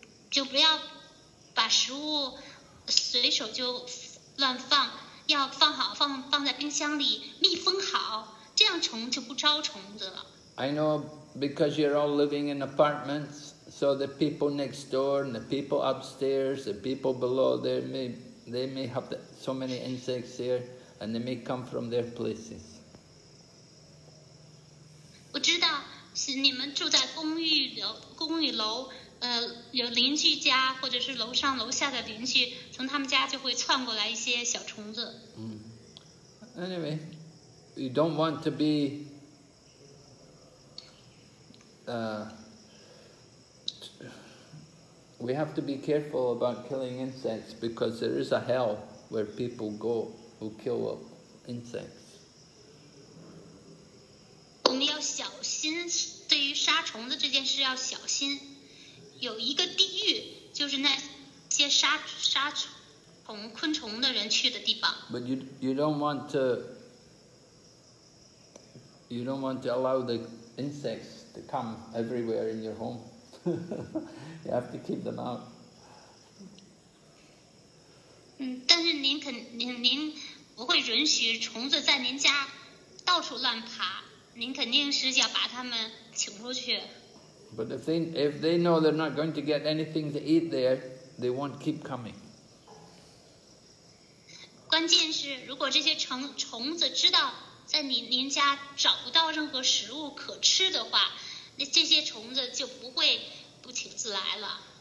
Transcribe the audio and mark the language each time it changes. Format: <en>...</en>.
<zh>就不要把食物随手就乱放，要放好，放在冰箱里，密封好，这样虫就不招虫子了。</zh> <en>I know because you're all living in apartments, so the people next door and the people upstairs, the people below, they may have so many insects there, and they may come from their places.</en> <zh>我知道是你们住在公寓楼，有邻居家或者是楼上楼下的邻居，从他们家就会窜过来一些小虫子。</zh> <en>Anyway, you don't want to be, we have to be careful about killing insects because there is a hell where people go who kill insects.</en> <zh>我们要小心，对于杀虫子这件事要小心。有一个地狱，就是那些杀虫、昆虫的人去的地方。</zh> <en>But you don't want to allow the insects to come everywhere in your home. You have to keep them out.</en> <zh>但是您不会允许虫子在您家到处乱爬，您肯定是要把它们请出去。</zh> <en>But if they know they're not going to get anything to eat there, they won't keep coming.</en> <zh>关键是如果这些虫子知道在您家找不到任何食物可吃的话，那这些虫子就不会不请自来了。</zh>